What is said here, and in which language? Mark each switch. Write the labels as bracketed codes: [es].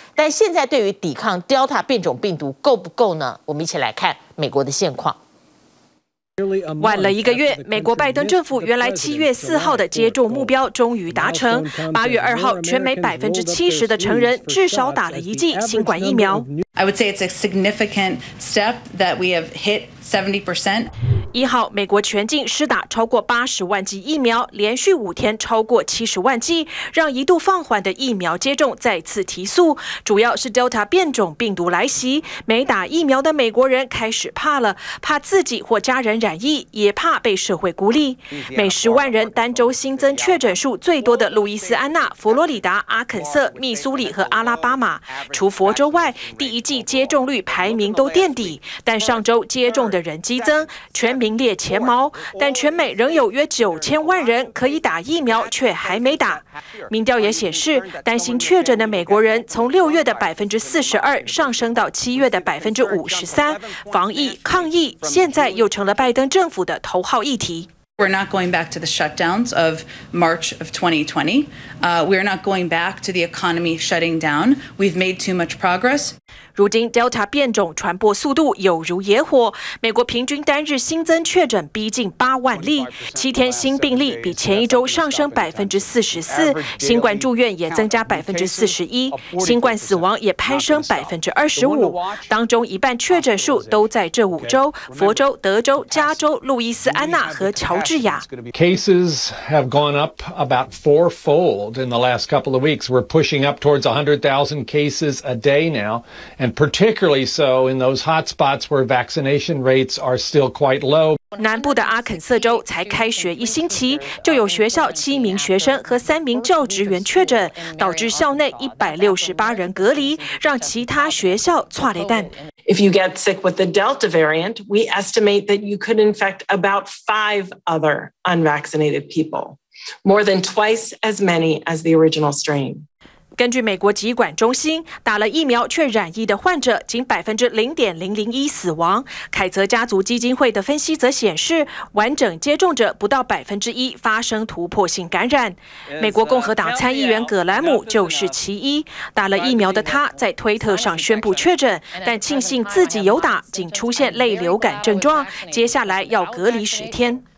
[zh] 但现在对于抵抗 Delta 变种病毒够不够呢？我们一起来看美国的现况。晚了一个月，美国拜登政府原来7月4号的接种目标终于达成。 8月2号，全美70%的成人至少打了一剂新冠疫苗。 [en] I would say it's a significant step that we have hit 70%。 [zh] 一号，美国全境施打超过80万剂疫苗，连续五天超过70万剂，让一度放缓的疫苗接种再次提速。主要是 Delta 变种病毒来袭，没打疫苗的美国人开始怕了，怕自己或家人染疫，也怕被社会孤立。每10万人单周新增确诊数最多的路易斯安那、佛罗里达、阿肯色、密苏里和阿拉巴马，除佛州外，第一季接种率排名都垫底。但上周接种的人激增，全民列前茅，但全美仍有约9000万人可以打疫苗却还没打。民调也显示，担心确诊的美国人从6月的42%上升到7月的53%，防疫抗疫现在又成了拜登政府的头号议题。 [en] We're not going back to the shutdowns of March of 2020. We're not going back to the economy shutting down. We've made too much progress. [zh] 如今 Delta 变种传播速度有如野火，美国平均单日新增确诊逼近8万例，七天新病例比前一周上升44%，新冠住院也增加41%，新冠死亡也攀升25%，当中一半确诊数都在这五州：佛州、德州、加州、路易斯安那和乔。 [en] Cases have gone up about fourfold in the last couple of weeks. We're pushing up towards 100,000 cases a day now, and particularly so in those hot spots where vaccination rates are still quite low. [zh] 南部的阿肯色州才开学一星期，就有学校7名学生和3名教职员确诊，导致校内168人隔离，让其他学校挫雷蛋。 [en] If you get sick with the Delta variant, we estimate that you could infect about 5 other unvaccinated people, more than twice as many as the original strain. [zh] 根据美国疾管中心，打了疫苗却染疫的患者仅0.001%死亡。凯泽家族基金会的分析则显示，完整接种者不到1%发生突破性感染。美国共和党参议员葛兰姆就是其一，打了疫苗的他在推特上宣布确诊，但庆幸自己有打，仅出现类流感症状，接下来要隔离10天。